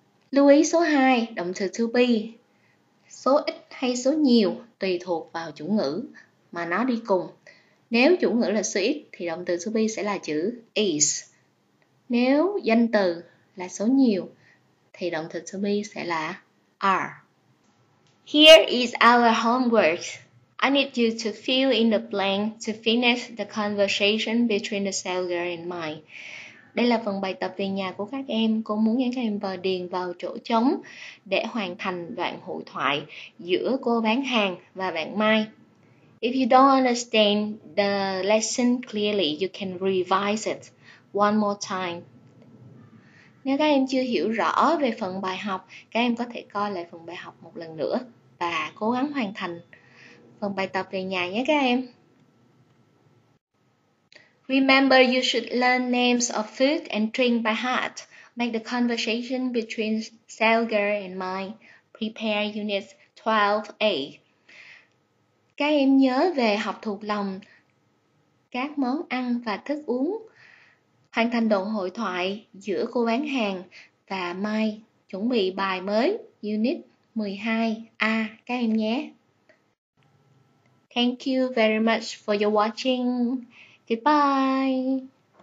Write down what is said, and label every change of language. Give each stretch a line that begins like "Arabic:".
Vietnamese: Lưu ý số 2, động từ to be, số ít hay số nhiều tùy thuộc vào chủ ngữ mà nó đi cùng. Nếu chủ ngữ là số ít thì động từ to be sẽ là chữ is. Nếu danh từ là số nhiều thì động từ to be sẽ là are.
English: Here is our homework. I need you to fill in the blank to finish the conversation between the seller and mine.
Vietnamese: Đây là phần bài tập về nhà của các em. Cô muốn các em vào điền vào chỗ trống để hoàn thành đoạn hội thoại giữa cô bán hàng và bạn Mai.
English: If you don't understand the lesson clearly, you can revise it one more time.
Vietnamese: Nếu các em chưa hiểu rõ về phần bài học, các em có thể coi lại phần bài học một lần nữa và cố gắng hoàn thành phần bài tập về nhà nhé các em.
English: Remember, you should learn names of food and drink by heart. Make the conversation between Selger and mine. Prepare Unit 12A.
Vietnamese: Các em nhớ về học thuộc lòng các món ăn và thức uống. Hoàn thành đoạn hội thoại giữa cô bán hàng và Mai. Chuẩn bị bài mới Unit 12A các em nhé.
English: Thank you very much for your watching. Goodbye.